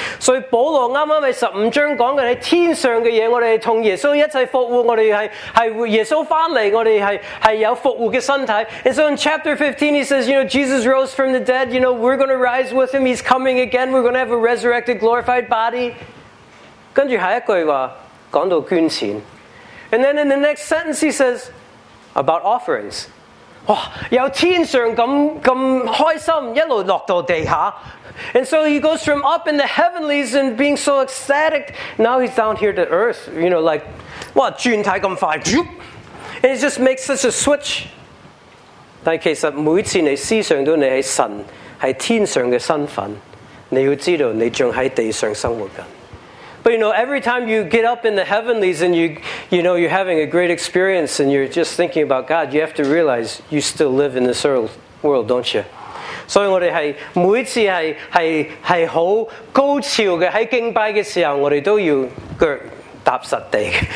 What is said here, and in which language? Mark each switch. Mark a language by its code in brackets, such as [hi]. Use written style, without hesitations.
[yue] So, 保罗啱啱喺十五章讲嘅喺天上嘅嘢，我哋同耶稣一齐复活，我哋系耶稣翻嚟，我哋系有复活嘅身体。 [en] And so, in chapter 15, he says, you know, Jesus rose from the dead. You know, we're going to rise with him. He's coming again. We're going to have a resurrected, glorified body. [yue] 跟住下一句话讲到捐钱。 [en] And then in the next sentence, he says about offerings. [yue] 哇！由天上咁開心，一路落到地下 [en] ，and so he goes from up in the heavenlies and being so ecstatic. Now he's down here to earth, you know, like, [yue] 哇！ 轉態咁快 [en] ，and he just makes such a switch. [yue] 但其實每次你思想到你係神，係天上嘅身份，你要知道你仲喺地上生活緊。 [en] But you know, every time you get up in the heavenlies and you know you're having a great experience and you're just thinking about God, you have to realize you still live in this world, don't you? [yue] 所以我哋係每次係好高潮嘅喺敬拜嘅時候，我哋都要踏實地。